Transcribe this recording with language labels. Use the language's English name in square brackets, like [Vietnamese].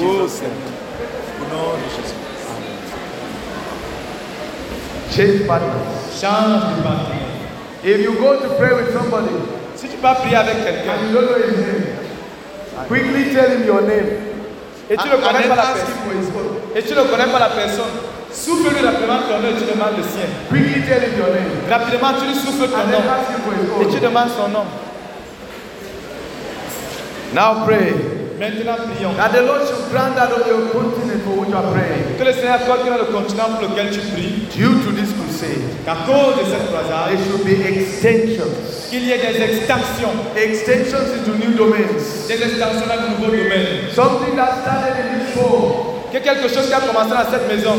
[English] In Jesus' name. Change partners. [French] Change de partner. [English] If you go to pray with somebody, [French] si tu vas prier avec quelqu'un, [English] and you don't know his name, quickly tell him your name. [French] Et tu ne connais pas la personne. Souffle lui rapidement ton nom et tu demandes le sien. [English] Quickly tell him your name. [French] Rapidement tu lui souffles ton nom et tu demandes son nom. [English] Now pray. [French] Maintenant prions. [English] That the Lord should grant that of your continent for which you are praying. [French] Que le Seigneur accorde dans le continent pour lequel tu pries. [English] Due to this crusade. [French] Qu'à cause de cette croisade. [English] There should be extensions. [French] Qu'il y ait des extensions. [English] Extensions into new domains. [French] Des extensions dans de nouveaux domaines. [English] Something that started in this fall. [French] Que quelque chose qui a commencé dans cette maison.